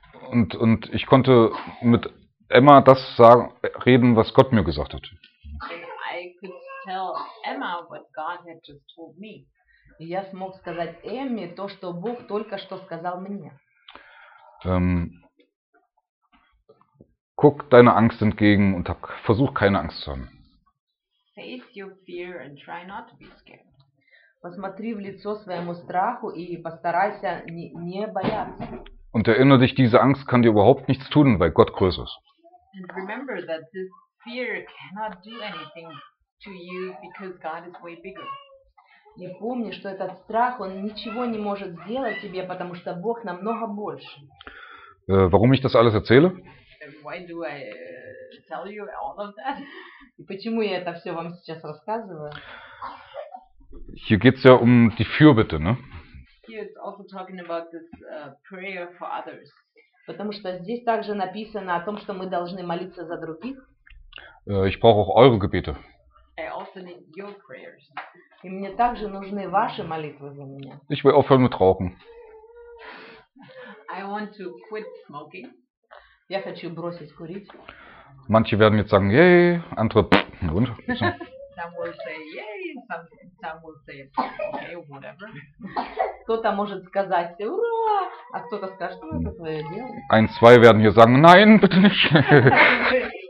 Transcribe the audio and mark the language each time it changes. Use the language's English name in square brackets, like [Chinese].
[German] Und ich konnte mit Emma das sagen, reden, was Gott mir gesagt hat. [English] I could tell Emma what God had just told me. [Russian] Я смог сказать Эмме то, что Бог только что сказал мне. [German] Guck deiner Angst entgegen und versuch keine Angst zu haben. [English] Face your fear and try not to be scared. [Russian] Посмотри в лицо своему страху и постарайся не бояться. [German] Und erinnere dich, diese Angst kann dir überhaupt nichts tun, weil Gott größer ist. [English] And remember that this fear cannot do anything to you because God is way bigger. [Russian] И помни, что этот страх, он ничего не может сделать тебе, потому что Бог намного больше. [German] Warum ich das alles erzähle? [English] Why do I tell you all of that? [Russian] И почему я это все вам сейчас рассказываю? [German] Hier geht's ja um die Fürbitte, ne? [English] Here it's also talking about this prayer for others. [Russian] Потому что здесь также написано о том, что мы должны молиться за других. [German] Ich brauche auch eure Gebete. [English] I also need your prayers. [Russian] И мне также нужны ваши молитвы за меня. [German] Ich will aufhören mit rauchen. [English] I want to quit smoking. [Russian] Я хочу бросить курить. [German] Manche werden jetzt sagen, yay, andere, und? [English] Some will say, yay, some will say, okay, whatever. [Russian] Кто-то может сказать, ура, а кто-то скажет, что это твое дело. [German] Ein, zwei werden hier sagen, nein, bitte nicht.